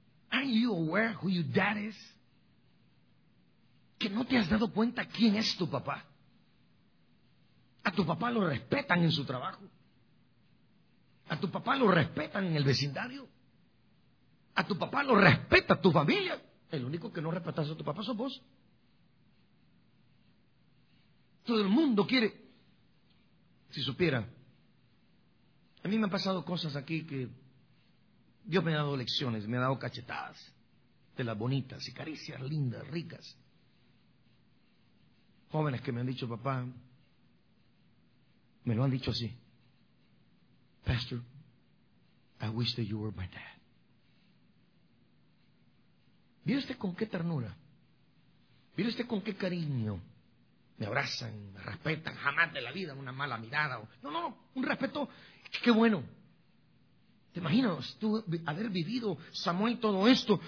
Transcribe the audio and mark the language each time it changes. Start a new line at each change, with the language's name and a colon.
English: Aren't you aware who your dad is?
Spanish: Que no te has dado cuenta quién es tu papá. A tu papá lo respetan en su trabajo. A tu papá lo respetan en el vecindario. A tu papá lo respeta tu familia. El único que no respetas a tu papá sos vos. Todo el mundo quiere. Si supiera, a mí me han pasado cosas aquí que Dios me ha dado lecciones, me ha dado cachetadas de las bonitas y caricias lindas, ricas. Jóvenes que me han dicho, papá, me lo han dicho así.
English: Pastor, I wish that you were my dad.
Spanish: ¿Vio usted con qué ternura? ¿Vio usted con qué cariño? Me abrazan, me respetan, jamás de la vida una mala mirada. No, un respeto, qué bueno. ¿Te imaginas tú haber vivido, Samuel, todo esto?